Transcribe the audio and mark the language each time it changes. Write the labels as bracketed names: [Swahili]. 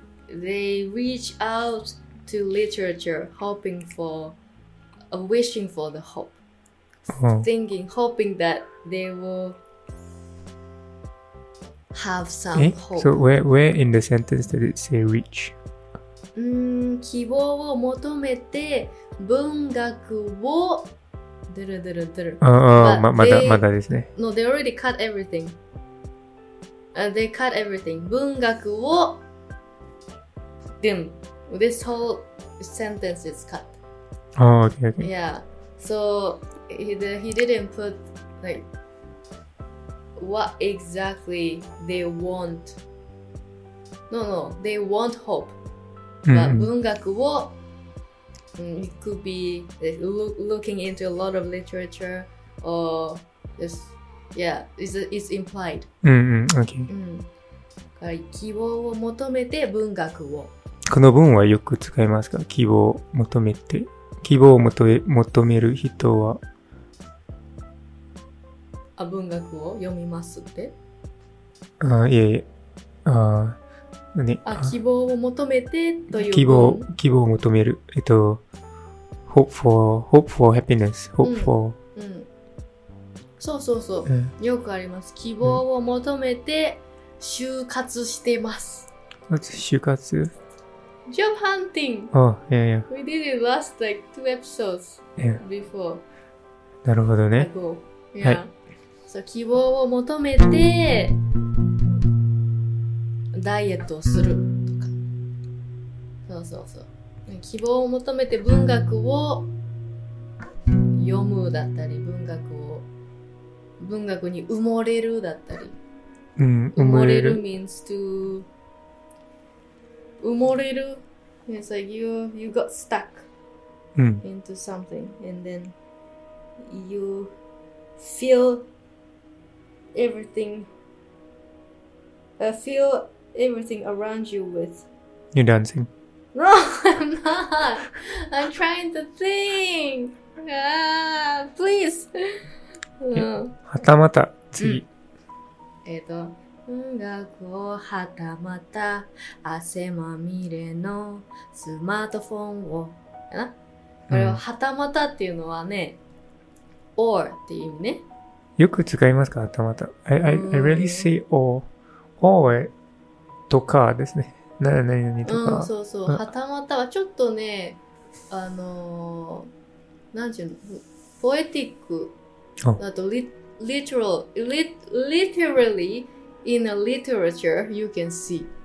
[English] they reach out to literature hoping for, wishing for the hope. Oh. Thinking, hoping that they will have some hope. So where in the sentence did it say reach? [Japanese] 希望を求めて文学をドゥルドゥルドゥル。まだですね。 [English] No, they already cut everything. They cut everything. [Japanese] 文学を dim. [English] This whole sentence is cut. Oh, okay. Yeah. So he didn't put like what exactly they want. No, they want hope. But [Japanese] 文学を、 [English] it could be looking into a lot of literature or just, it's implied. Okay. [Japanese] 希望を求めて文学を。この文はよく使いますか？希望を求めて。希望を求める人は。あ、文学を読みますって？あ、いやいや。あ、ね、あ、希望を求めてという希望を求める、 [English] hope for happiness, hope for、 [Japanese] そう、よくあります。希望を求めて就活してます。就活？ [English] Job hunting. Oh, yeah, yeah. We did it last like two episodes before. [Japanese] なるほどね。 [English] Yeah. [Japanese] はい。そう、希望を求めて。ダイエットをするとか、そう。希望を求めて文学を読むだったり、文学に埋もれるだったり、埋もれる [English] means to 埋もれる、it's like you got stuck into something and then you feel everything, feelEverything around you with. You're dancing. No, I'm not. I'm trying to think. Please. [Japanese] はたまた次。音楽をはたまた汗まみれのスマートフォンを。これをはたまたっていうのはね、or っていう意味ね。よく使いますか、はたまた。 [English] I really say or. Or. [Japanese] とかですね。何とか。そう。はたまたはちょっとね、なんていうの、ポエティック。 [English] あと、literally, in a literature, you can see.